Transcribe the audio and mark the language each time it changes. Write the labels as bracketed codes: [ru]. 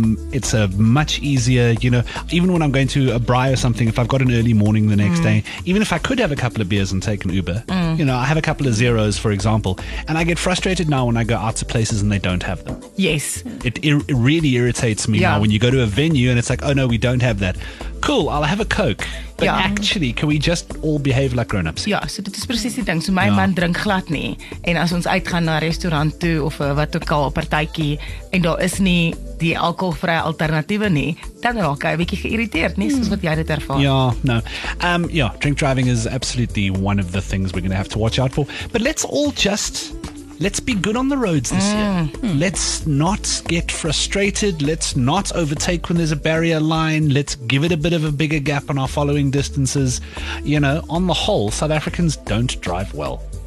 [en] It's a much easier, you know, even when I'm going to a braai or something, if I've got an early morning the next day, even if I could have a couple of beers and take an Uber, you know, I have a couple of zeros, for example, and I get frustrated now when I go out to places and they don't have them. Yes. It really irritates me now when you go to a venue and it's like, oh no, we don't have that. cool, I'll have a Coke. But yeah, actually, can we just all behave like grown-ups? [af] Ja, so dit is precies die ding. So my man drink glad nie. En as ons uitgaan na restaurant toe of wat ook al, partykie, en daar is nie die alcoholvrye alternatiewe nie, dan raak hy 'n bietjie geïrriteerd, nie, soos wat jy dit ervaar. Ja, no. [en] Yeah, drink driving is absolutely one of the things we're going to have to watch out for. But let's all just... Let's be good on the roads this year. Let's not get frustrated. Let's not overtake when there's a barrier line. Let's give it a bit of a bigger gap on our following distances. You know, on the whole, South Africans don't drive well.